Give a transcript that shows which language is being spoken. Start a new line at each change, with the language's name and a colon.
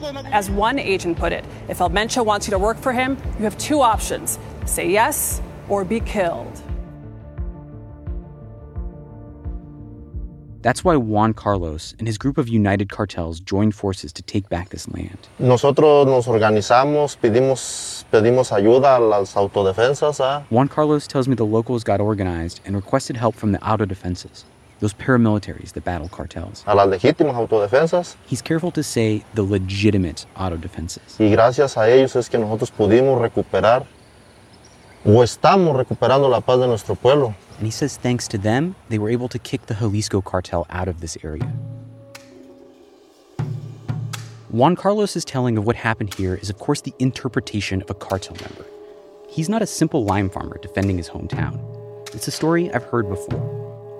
English: As one agent put it, if Almencho wants you to work for him, you have two options. Say yes or be killed. That's why Juan Carlos and his group of United Cartels joined forces to take back this land.
Spanish: Nosotros nos organizamos, pedimos ayuda a las autodefensas.
English: Juan Carlos tells me the locals got organized and requested help from the autodefensas, those paramilitaries that battle cartels.
Spanish: A las legítimas autodefensas.
English: He's careful to say the legitimate autodefensas.
Spanish: Y gracias a ellos es que nosotros pudimos recuperar o estamos recuperando la paz de nuestro pueblo.
English: And he says thanks to them, they were able to kick the Jalisco cartel out of this area. Juan Carlos's telling of what happened here is, of course, the interpretation of a cartel member. He's not a simple lime farmer defending his hometown. It's a story I've heard before.